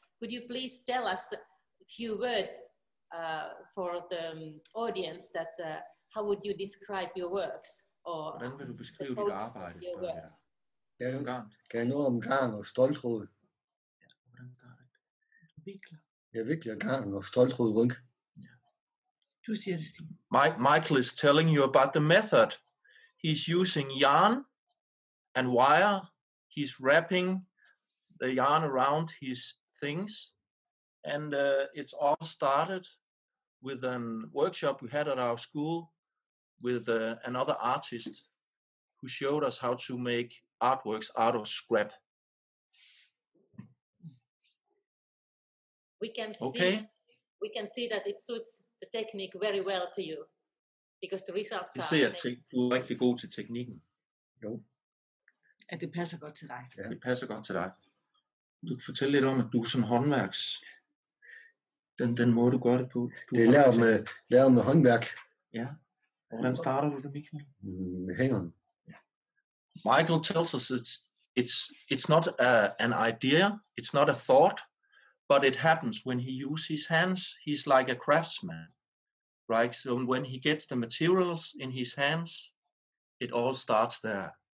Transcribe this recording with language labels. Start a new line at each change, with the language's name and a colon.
English: Could you please tell us a few words for the audience that how would you describe your works?
Danish: Or hvordan vil du beskrive dit arbejde? Kan jeg nå om garn og stolthed? Jeg vikler garn og stolthed rundt. Du siger det.
English: Michael is telling you about the method. He's using yarn and wire, he's wrapping the yarn around his things, and it's all started with a workshop we had at our school with another artist who showed us how to make artworks out of scrap. We can see that it suits the technique very well to you, because the results you are... See, you like to go to technique?
Danish: Jo. At det passer godt til dig. Ja, det passer godt til dig. Du kan fortælle lidt om, at du som håndværks, den måde, du gør det på. Det er lavet med håndværk. Ja. Og hvordan starter du det, Michael? Med hænderne.
English: Michael tells us it's not an idea, it's not a thought, but it happens when he uses his hands. He's like a craftsman, right? So when he gets the materials in his hands, it all starts there.